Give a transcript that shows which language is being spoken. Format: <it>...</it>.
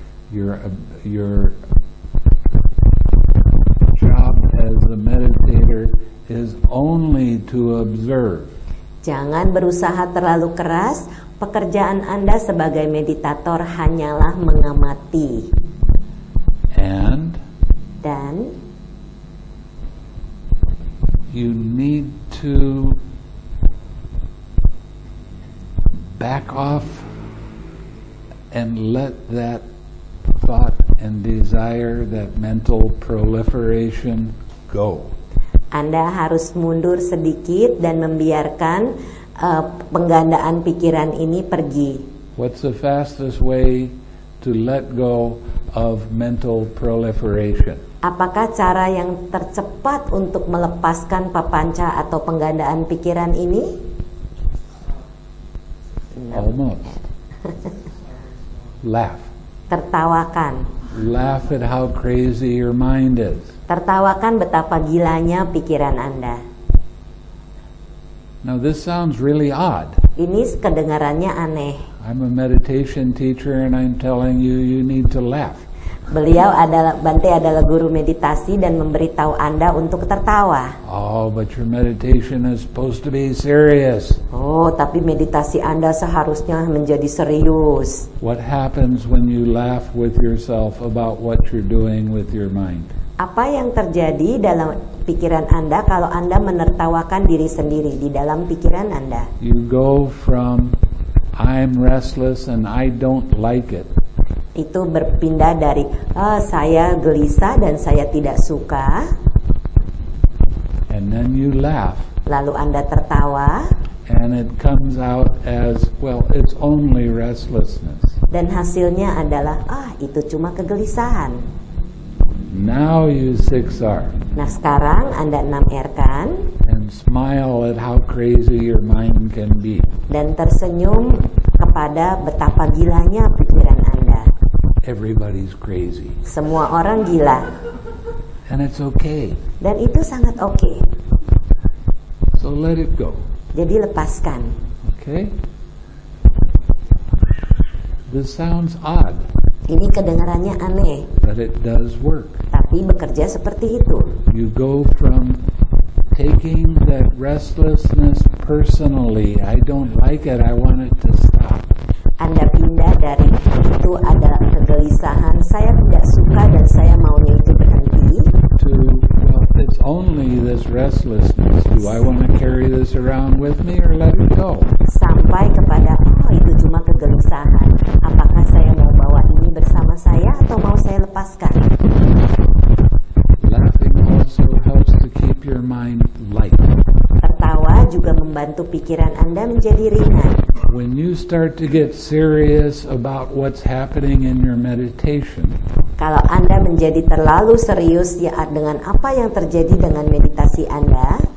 <en>Your job as a meditator is only to observe.</en> <id>Jangan berusaha terlalu keras. Pekerjaan Anda sebagai meditator hanyalah mengamati.</id> <en>And</en> <id>dan</id> <en>you need to back off and let that thought and desire, that mental proliferation, go.</en> <id>Anda harus mundur sedikit dan membiarkan penggandaan pikiran ini pergi.</id> <en>What's the fastest way to let go of mental proliferation?</en> <id>Apakah cara yang tercepat untuk melepaskan papanca atau penggandaan pikiran ini?</id> <en>Almost. Laugh.</en> <id>Tertawakan.</id> <en>Laugh at how crazy your mind is.</en> <id>Tertawakan betapa gilanya pikiran Anda.</id> <en>Now this sounds really odd.</en> <id>Ini kedengarannya aneh.</id> <en>I'm a meditation teacher and I'm telling you, you need to laugh.</en> <id>Beliau adalah, Bante adalah guru meditasi dan memberitahu Anda untuk tertawa.</id> <en>Oh, but your meditation is supposed to be serious.</en> <id>Oh, tapi meditasi Anda seharusnya menjadi serius.</id> <en>What happens when you laugh with yourself about what you're doing with your mind?</en> <id>Apa yang terjadi dalam pikiran Anda kalau Anda menertawakan diri sendiri di dalam pikiran Anda?</id> <en>You go from I'm restless and I don't like it.</en> <id>Itu berpindah dari saya gelisah dan saya tidak suka.</id> <en>And then you laugh.</en> <id>Lalu Anda tertawa.</id> <en>And it comes out as, well, it's only restlessness.</en> <id>Dan hasilnya adalah itu cuma kegelisahan.</id> <en>Now you 6R.</en> <id>Nah, sekarang Anda 6R kan?</id> <en>And smile at how crazy your mind can be.</en> <id>Dan tersenyum kepada betapa gilanya pikiran Anda.</id> <en>Everybody's crazy.</en> <id>Semua orang gila.</id> <en>And it's okay.</en> <id>Dan itu sangat okay.</id> <en>So let it go.</en> <id>Jadi lepaskan.</id> <en>Okay? This sounds odd.</en> <id>Ini kedengarannya aneh.</id> <en>But it does work.</en> <id>Tapi bekerja seperti itu.</id> <en>You go from taking that restlessness personally. I don't like it. I want it to stop.</en> <id>Anda pindah dari itu ada kegelisahan. Saya tidak suka dan saya maunya itu berhenti.</id> <en>To, well, it's only this restlessness. Do I want to carry this around with me or let it go?</en> <id>Sampai kepada itu cuma kegelisahan. Apakah saya mau bawa ini bersama saya atau mau saya lepaskan?</id> <en>Laughing also helps to keep your mind light.</en> <id>Tertawa juga membantu pikiran Anda menjadi ringan.</id> <en>When you start to get serious about what's happening in your meditation.</en> <id>Kalau Anda menjadi terlalu serius ya dengan apa yang terjadi dengan meditasi Anda.</id>